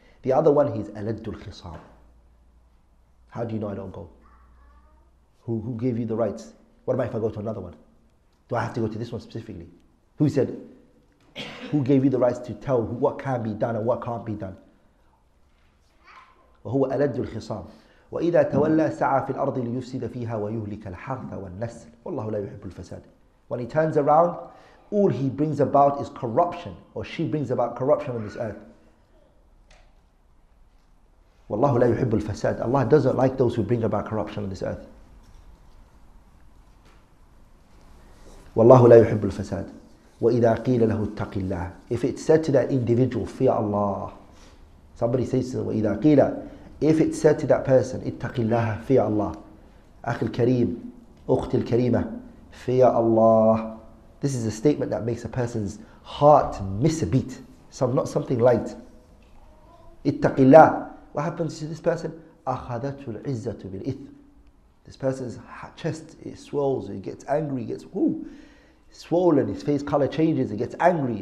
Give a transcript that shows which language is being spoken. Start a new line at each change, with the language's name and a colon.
English: The other one, he's Aladdul Khisam. How do you know I don't go? Who gave you the rights? What about if I go to another one? Do I have to go to this one specifically? Who said, who gave you the rights to tell what can be done and what can't be done?
Arabic: وهو ألد الخصام وإذا تولى سعى في الأرض ليفسد فيها ويهلك الحرث والنسل والله لا يحب الفساد.
English: When he turns around, all he brings about is corruption, or she brings about corruption on this earth.
Arabic: والله لا يحب الفساد.
English: Allah doesn't like those who bring about corruption on this earth.
Arabic: والله لا يحب الفساد. وإذا قيل له اتق الله.
English: If it's said to that individual, fear Allah. Somebody says to them,
Arabic: وَإِذَا قِيلَ,
English: if it's said to that person,
Arabic: اتَّقِ اللَّهَ,
English: fear Allah.
Arabic: أَخِ الْكَرِيمِ, أُخْتِ الْكَرِيمَةِ,
English: fear Allah. This is a statement that makes a person's heart miss a beat. Some, not something light.
Arabic: اتَّقِ اللَّهَ.
English: What happens to this person?
Arabic: أَخَذَتُ الْعِزَّةُ بِالْإِثْمِ.
English: This person's chest, it swells, it gets angry, it gets swollen, his face color changes, it gets angry.